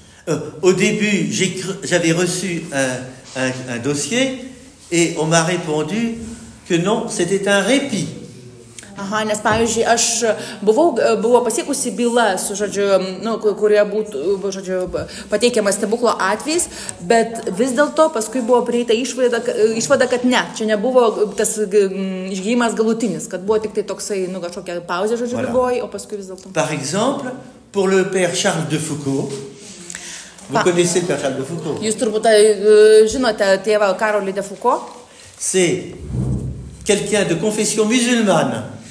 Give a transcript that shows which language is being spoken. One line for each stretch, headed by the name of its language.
French: Au début, j'avais reçu un dossier et on m'a répondu que non, c'était un répit.
Lithuanian: Aha, nes, pavyzdžiui, aš buvo pasiekusi byla su, žodžiu, nu, kurie būtų, žodžiu, pateikiamas stebuklo atvejs, bet vis dėlto paskui buvo prieita išvada, kad ne, čia nebuvo tas išgyjimas galutinis, kad buvo tik tai toksai, nu, kažkokia pauzė, žodžiu, voilà. Ligoj, o paskui vis dėlto.
French: Par exemple, pour le père Charles de Foucault. Vous connaissez le père Charles de Foucault?
Lithuanian: Jūs turbūt žinote tėvą Karolį de Foucault.
French: C'est quelqu'un de confession musulmane.